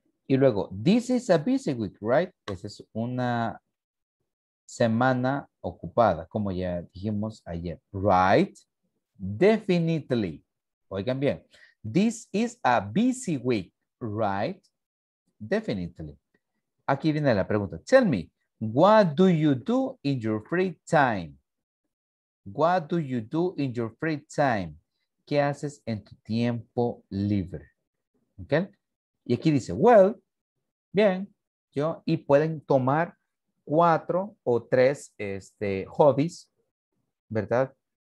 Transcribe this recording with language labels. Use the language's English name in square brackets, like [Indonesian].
[Spanish] Y luego, [English] this is a busy week, right? [Spanish] Esa es una semana ocupada, como ya dijimos ayer, right? [English] Definitely. [Spanish] Oigan bien, [English] this is a busy week, right? Definitely. [Spanish] Aquí viene la pregunta, [English] tell me, what do you do in your free time? What do you do in your free time? [Spanish] ¿Qué haces en tu tiempo libre? ¿Ok? Y aquí dice, well, bien, yo, y pueden tomar 4 o 3 hobbies, ¿verdad?